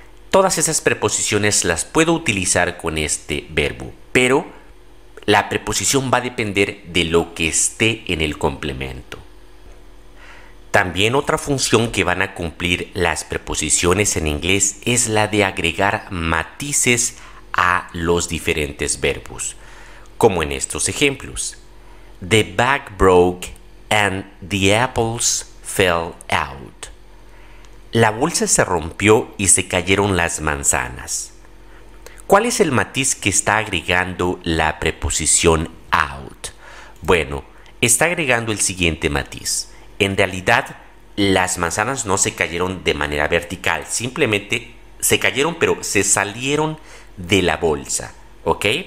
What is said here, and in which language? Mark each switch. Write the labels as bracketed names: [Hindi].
[Spanish] Todas esas preposiciones las puedo utilizar con este verbo, pero la preposición va a depender de lo que esté en el complemento. También otra función que van a cumplir las preposiciones en inglés es la de agregar matices a los diferentes verbos, como en estos ejemplos. [English] The bag broke and the apples fell out. [Spanish] La bolsa se rompió y se cayeron las manzanas. ¿Cuál es el matiz que está agregando la preposición out? Bueno, está agregando el siguiente matiz. En realidad, las manzanas no se cayeron de manera vertical, simplemente se cayeron, pero se salieron de la bolsa, ¿ok?